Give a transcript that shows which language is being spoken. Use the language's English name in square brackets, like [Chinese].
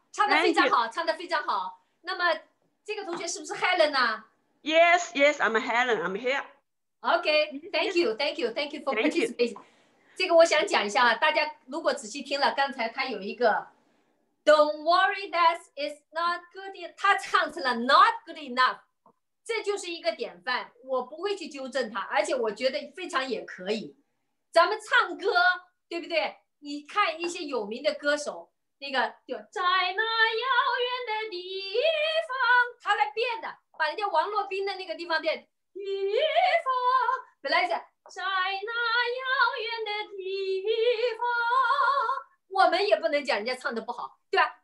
[Chinese] 唱得非常好，唱得非常好。那么这个同学是不是 Helen 啊？ [English] Yes, I'm Helen, I'm here. Okay, thank you for participating. [Chinese] 这个我想讲一下，大家如果仔细听了，刚才他有一个 Don't worry that it's not good enough. 他唱成了 not good enough. 这就是一个典范，我不会去纠正它，而且我觉得非常也可以。咱们唱歌，对不对？你看一些有名的歌手，那个就在那遥远的地方，他来变的，把人家王洛宾的那个地方变地方，本来是在那遥远的地方，我们也不能讲人家唱的不好，对吧？